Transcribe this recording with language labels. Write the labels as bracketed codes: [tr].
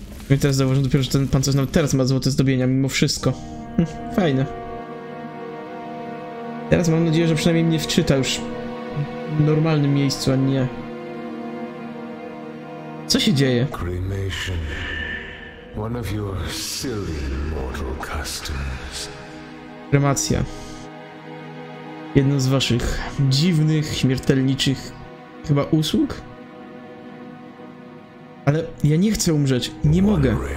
[pl] I teraz zauważę dopiero, że ten pancerz nawet teraz ma złote zdobienia, mimo wszystko. Fajne. Teraz mam nadzieję, że przynajmniej mnie wczyta już. W normalnym miejscu, a nie. Co się dzieje? Cremation. [en] One of your silly mortal customs. [pl] Kremacja. Jedno z waszych dziwnych, śmiertelniczych chyba usług? Ale ja nie chcę umrzeć. Nie mogę.